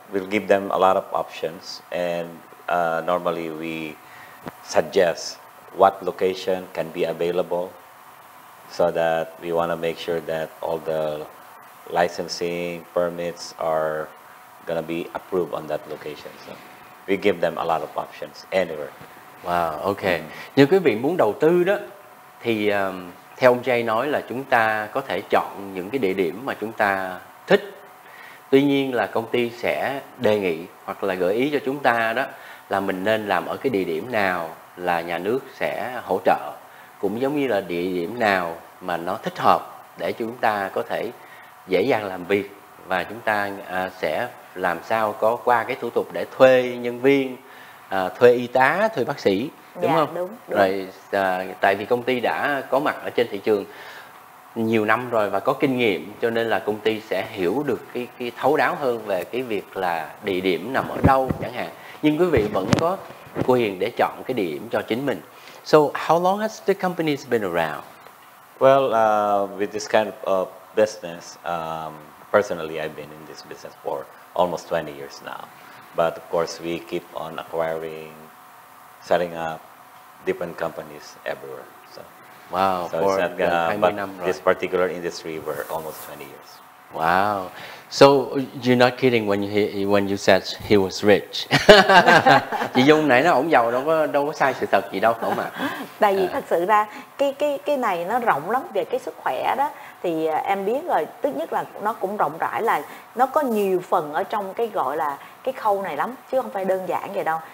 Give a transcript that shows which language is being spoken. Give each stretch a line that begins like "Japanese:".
English: We'll give them a lot of options, and normally we suggest what location can be available, so that we want to make sure that all the licensing permits are gonna be approved on that location. So we give them a lot of options anywhere. Wow. Okay.
Vietnamese: Nếu quý vị muốn đầu tư đó, thì theo ông Jay nói là chúng ta có thể chọn những cái địa điểm mà chúng ta thích. Tuy nhiên là công ty sẽ đề nghị hoặc là gợi ý cho chúng ta đó là mình nên làm ở cái địa điểm nào là nhà nước sẽ hỗ trợ, cũng giống như là địa điểm nào mà nó thích hợp để chúng ta có thể dễ dàng làm việc, và chúng ta sẽ làm sao có qua cái thủ tục để thuê nhân viên, thuê y tá, thuê bác sĩ, đúng dạ, không? Đúng. Rồi tại vì công ty đã có mặt ở trên thị trường nhiều năm rồi và có kinh nghiệm, cho nên là công ty sẽ hiểu được cái thấu đáo hơn về cái việc là địa điểm nằm ở đâu chẳng hạn. Nhưng quý vị vẫn có quyền để chọn cái địa điểm cho chính mình.
English: So how long has the company been around? Well, with this kind of business, personally, I've been in this business for almost 20 years now. But of course, we keep on acquiring, setting up different companies everywhere. So, wow, so for it's not gonna, but this particular industry were almost 20 years. Wow. So you're not kidding when you said he was rich.
Vietnamese: Chị Dung nãy nó ổng giàu đâu có sai sự thật gì đâu không ạ? Tại vì thật sự ra cái này nó rộng lắm về cái sức khỏe đó, thì em biết rồi, tức nhất là nó cũng rộng rãi, là nó có nhiều phần ở trong cái gọi là cái khâu này lắm, chứ không phải đơn giản vậy đâu.